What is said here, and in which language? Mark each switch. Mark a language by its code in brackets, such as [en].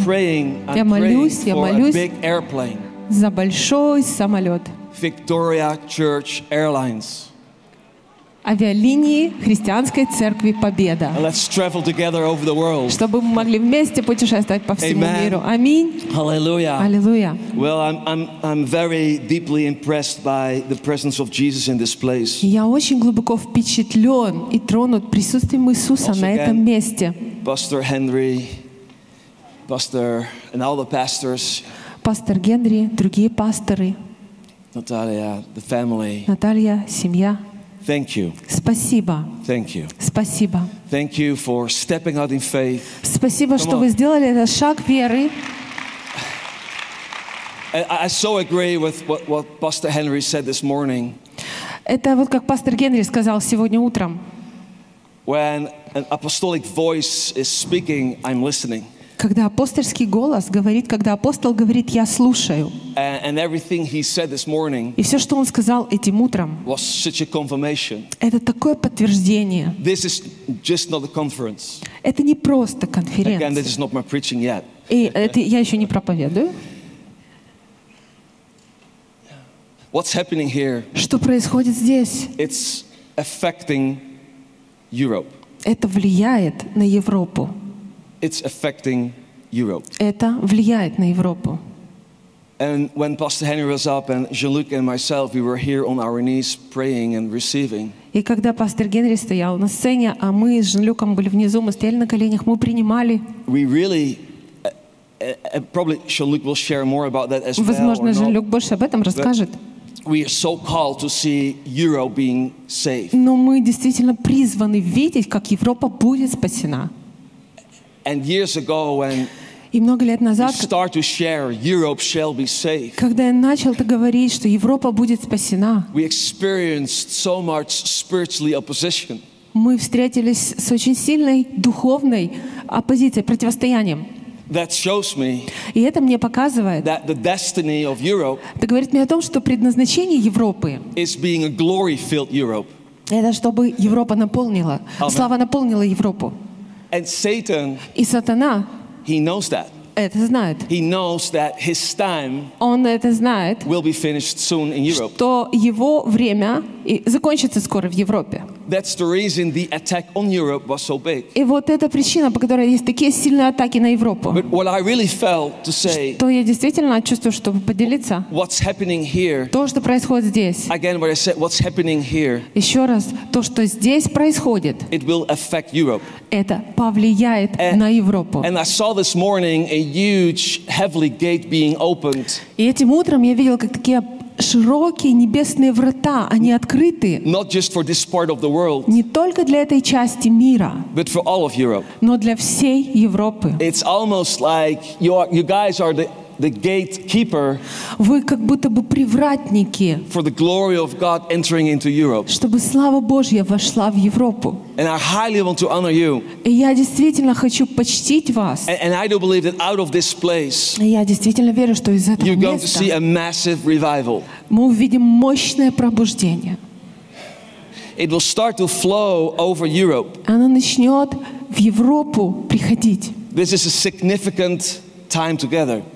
[en] I'm praying for a big airplane. [ru] За большой самолет. [en] Victoria Church Airlines. [ru] Авиалинии Христианской Церкви Победа. [en] Let's travel together over the world. [ru] Чтобы мы могли вместе путешествовать по всему [en] Amen. [ru] Миру. Аминь. [en] Hallelujah. Hallelujah. Well, I'm very deeply impressed by the presence of Jesus in this place. [ru] Я очень глубоко впечатлен и тронут присутствием Иисуса на этом месте. [en] Pastor Henry, Pastor, and all the pastors. [ru] Пастор Генри, другие пасторы. [en] Наталья, the family. [ru] Наталья, семья. [en] Thank you. [ru] Спасибо. [en] Thank you. [ru] Спасибо. [en] Thank you for stepping out in faith. [ru] Спасибо, что вы сделали этот шаг веры. [en] I so agree with what Pastor Henry said this morning. [ru] Это вот как пастор Генри сказал сегодня утром. [en] When an apostolic voice is speaking, I'm listening. [ru] Когда апостольский голос говорит, когда апостол говорит, я слушаю. [en] And everything he said this morning, [ru] и все, что он сказал этим утром, [en] was such a confirmation. [ru] Это такое подтверждение. [en] This is just not a conference. [ru] Это не просто конференция. [en] Again, this is not my preaching yet. [ru] И это я еще не проповедую. [en] What's happening here? [ru] Что происходит здесь? [en] It's affecting Europe. [ru] Это влияет на Европу. [en] It's affecting Europe. [ru] Это влияет на Европу. [en] And when Pastor Henry was up, and Jean-Luc and myself, we were here on our knees praying and receiving. [ru] И когда пастор Генри стоял на сцене, а мы с Жан-Люком были внизу, мы стояли на коленях, мы принимали. [en] We really, probably Jean-Luc will share more about that as well. [ru] Возможно, Жан-Люк больше об этом расскажет. [en] We are so called to see Europe being saved. [ru] Но мы действительно призваны видеть, как Европа будет спасена. [en] And years ago, when [ru] и много лет назад, [en] you start to share, Europe shall be saved. [ru] Когда я начал говорить, что Европа будет спасена, [en] we experienced so much spiritually opposition. [ru] Мы встретились с очень сильной духовной оппозицией, противостоянием. [en] That shows me. [ru] И это мне показывает. [en] That the destiny of Europe. [ru] Это говорит мне о том, что предназначение Европы. [en] Is being a glory-filled Europe. [ru] Это чтобы Европа наполнила, Amen. Слава наполнила Европу. [en] And Satan, [ru] и сатана, [en] he knows that. [ru] Это знает. [en] He knows that his time, [ru] он это знает, [en] will be finished soon in Europe. [ru] Что его время закончится скоро в Европе. [en] That's the reason the attack on Europe was so big. [ru] И вот это причина, по которой есть такие сильные атаки на Европу. [en] But what I really felt to say, [ru] что я действительно чувствую, чтобы поделиться, [en] what's happening here, [ru] то, что происходит здесь, [en] again, what I said, what's happening here, [ru] еще раз, то, что здесь происходит, [en] it will affect Europe. [ru] Это повлияет на Европу. [en] And I saw this morning a huge, heavily gate being opened. [ru] И этим утром я видел, как такие широкие небесные врата, они открыты. [en] Not just for this part of the world, [ru] не только для этой части мира, [en] but for all of Europe. [ru] Но для всей Европы. [en] It's almost like you guys are the gatekeeper. [ru] Вы как будто бы привратники. [en] For the glory of God entering into Europe. [ru] Чтобы слава Божья вошла в Европу. [en] And I highly want to honor you. [ru] И я действительно хочу почтить вас. [en] And I do believe that out of this place. [ru] И я действительно верю, что из этого места. [en] You're going to see a massive revival. [ru] Мы увидим мощное пробуждение. [en] It will start to flow over Europe. [ru] Оно начнет в Европу приходить. [en] This is a significant time together.